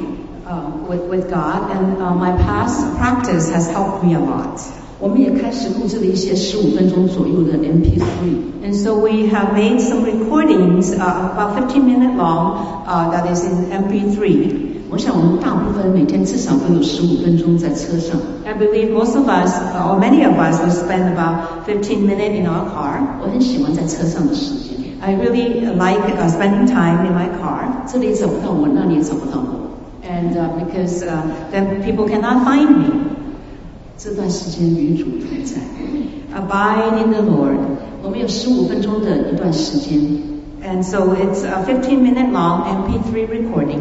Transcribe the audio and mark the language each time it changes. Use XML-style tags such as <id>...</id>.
<en>With God, and my past practice has helped me a lot.</en> <zh>我们也开始录制了一些15分钟左右的 MP3.</zh> <en>And so we have made some recordings, about 15 minutes long, that is in MP3.</en> <zh>我想我们大部分每天至少会有15分钟在车上。</zh> <en>I believe most of us, or many of us, will spend about 15 minutes in our car.</en> <zh>我很喜欢在车上的时间。</zh> <en>I really like spending time in my car.</en> <zh>这里找不到我，那里也找不到我。</zh> <en>And because then people cannot find me.</en> <zh>这段时间与主同在。</zh> <en>Abide in the Lord.</en> <zh>我们有15分钟的一段时间。</zh> <en>And so it's a 15-minute long MP3 recording.</en>